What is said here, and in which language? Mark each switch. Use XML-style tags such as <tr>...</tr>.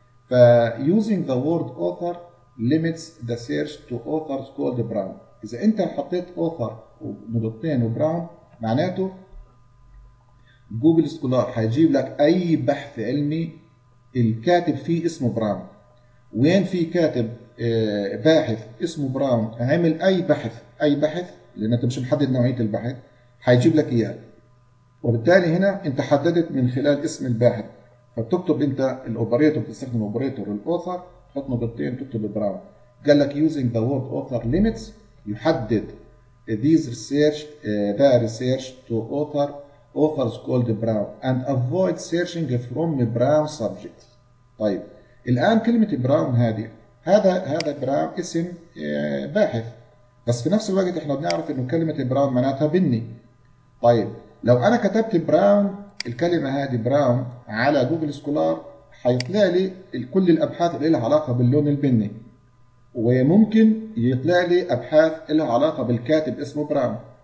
<en>ف using the word author limits the search to authors called brown.</en> <ar>اذا انت حطيت author ونقطتين وبراون معناته جوجل سكولار هيجيب لك اي بحث علمي الكاتب فيه اسمه براون. وين في كاتب باحث اسمه براون عمل اي بحث، اي بحث لان انت مش محدد نوعيه البحث، هيجيب لك اياه. وبالتالي هنا انت حددت من خلال اسم الباحث. فتكتب انت الاوبريتور، بتستخدم اوبريتور الاوثر، تحط نقطتين تكتب براون. قال لك</ar> <en>using the word author limits</en> <ar>يحدد</ar> <en>these research the research to author authors called brown and avoid searching from brown subjects.</en> <ar>طيب الان كلمه براون هذه، هذا براون اسم باحث، بس في نفس الوقت احنا بنعرف انه كلمه براون معناتها بني. طيب لو انا كتبت براون الكلمة هذه براون على جوجل سكولار حيطلع لي كل الأبحاث اللي لها علاقة باللون البني، وممكن يطلع لي أبحاث لها علاقة بالكاتب اسمه براون.</ar>